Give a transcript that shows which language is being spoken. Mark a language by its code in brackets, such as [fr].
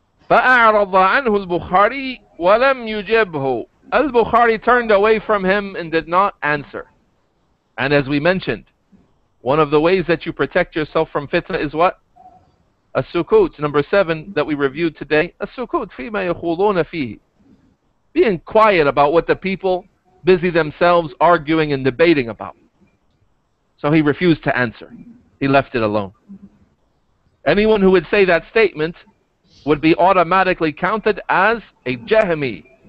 [ar] فَأَعْرَضَ عَنْهُ الْبُخَارِي وَلَمْ يُجِبْهُ. [en] Al-Bukhari turned away from him and did not answer. And as we mentioned, one of the ways that you protect yourself from fitna is what? As-sukut, number 7 that we reviewed today. [ar] As-sukut, فِيمَا يَخُولُونَ فِيهِ. [en] Being quiet about what the people busy themselves arguing and debating about. So he refused to answer. He left it alone. Anyone who would say that statement would be automatically counted as a Jahmi.